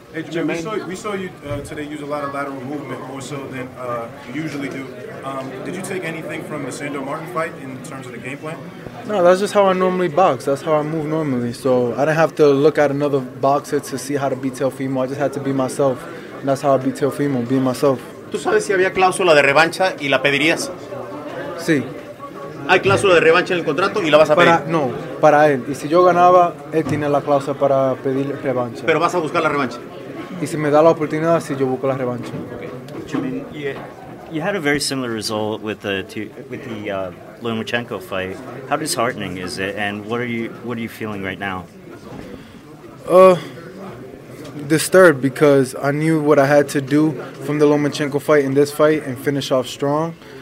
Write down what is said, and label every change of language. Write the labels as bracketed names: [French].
[English] Hey, Jamaine, we saw you today use a lot of lateral movement, more so than you usually do. Did you take anything from the Sandor Martin fight in terms of the game plan? No, that's just how I normally box. That's how I move normally. So I didn't have to look at another boxer to see how to beat Teofimo. I just had to be myself, and that's how I beat Teofimo, being myself. [Spanish] ¿Tú sabes si había cláusula de revancha y la pedirías? Sí. ¿Hay cláusula de revancha en el contrato y la vas a pedir? Para él. Y si yo ganaba, él tiene la cláusula para pedir revancha. ¿Pero vas a buscar la revancha? Y si me da la oportunidad, sí, yo busco la revancha. [English] Okay. You had a very similar result with the Lomachenko fight. How disheartening is it, and what are you feeling right now? Disturbed, because I knew what I had to do from the Lomachenko fight in this fight and finish off strong.